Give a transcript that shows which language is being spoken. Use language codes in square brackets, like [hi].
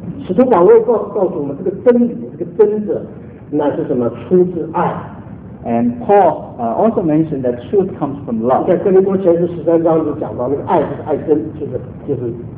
[zh] 使徒保罗告诉我们，这个真理，这个真的，那是什么？出自爱。 [en] And Paul also mentioned that truth comes from love. [zh] 在哥林多前书十三章就讲到，那个爱就是爱真，就是。